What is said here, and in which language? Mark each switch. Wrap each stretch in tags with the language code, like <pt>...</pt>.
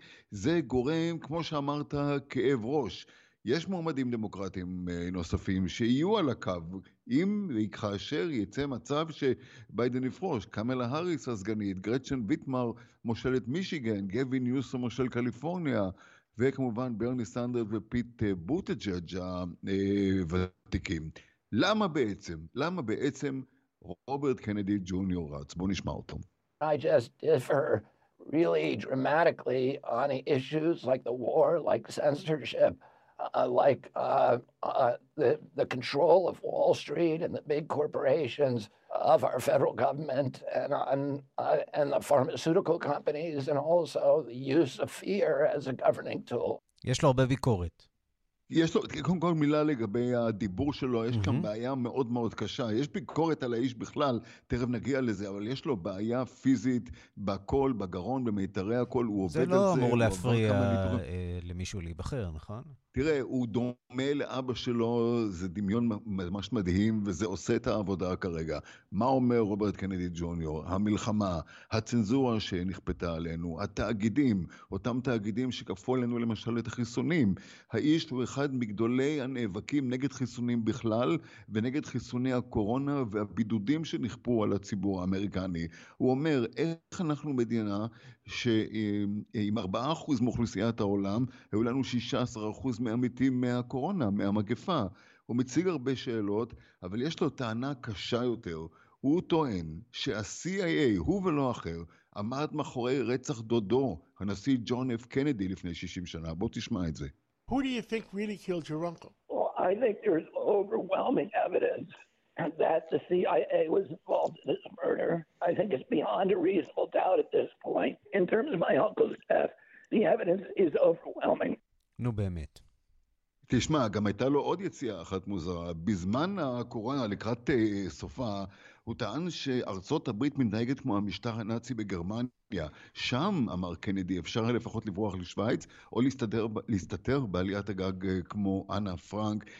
<he>זה גורם, כמו שאמרת, כאב ראש. יש מועמדים דמוקרטיים נוספים שיהיו על הקו, אם וכאשר יצא מצב שביידן יפרוש, קמלה האריס הסגנית, גרצ'ן ויטמר מושלת מישיגן, גווין ניוסום מושל קליפורניה, וכמובן ברני סנדרס ופיט בוטג'אג' הוותיקים. למה בעצם? למה בעצם רוברט קנדי ג'וניור רץ? בוא נשמע אותו.</he> <en>I just differ really dramatically on issues like the war, like censorship. like the control of Wall Street and the big corporations of our federal government and on and the pharmaceutical companies and also the use of fear as a governing tool.</en> <he>יש לו הרבה ביקורת. יש לו, קודם כל מילה לגבי הדיבור שלו, יש כאן בעיה מאוד מאוד קשה, יש ביקורת על האיש בכלל, תכף נגיע לזה, אבל יש לו בעיה פיזית בכל, בגרון, במיתרי הכל, הוא עובד על זה. זה לא אמור להפריע למישהו להיבחר, נכון? תראה, הוא דומה לאבא שלו, זה דמיון ממש מדהים, וזה עושה את העבודה כרגע. מה אומר רוברט קנדי ג'וניור? המלחמה, הצנזורה שנכפתה עלינו, התאגידים, אותם תאגידים שקפו עלינו למשל את החיסונים. האיש הוא אחד מגדולי הנאבקים נגד חיסונים בכלל, ונגד חיסוני הקורונה והבידודים שנכפו על הציבור האמריקני. הוא אומר, איך אנחנו מדינה שעם 4% מאוכלוסיית העולם, היו לנו 16% מהמתים מהקורונה, מהמגפה. הוא מציג הרבה שאלות, אבל יש לו טענה קשה יותר. הוא טוען שה-CIA, הוא ולא אחר, עמד מאחורי רצח דודו, הנשיא ג'ון אף קנדי לפני 60 שנה. בוא תשמע את זה.</he> <en>Who do you think really killed your uncle? Well, I think there's overwhelming evidence that the CIA was involved in this murder. I think it's beyond a reasonable doubt at this point. In terms of my uncle's death, the evidence is overwhelming.</en> <he>נו באמת. תשמע, גם הייתה לו עוד יציאה אחת מוזרה. בזמן הקורונה, לקראת סופה, הוא טען שארצות הברית מתנהגת כמו המשטר הנאצי בגרמניה. שם, אמר קנדי, אפשר לפחות לברוח לשוויץ, או להסתתר בעליית הגג כמו אנה פרנק.</he>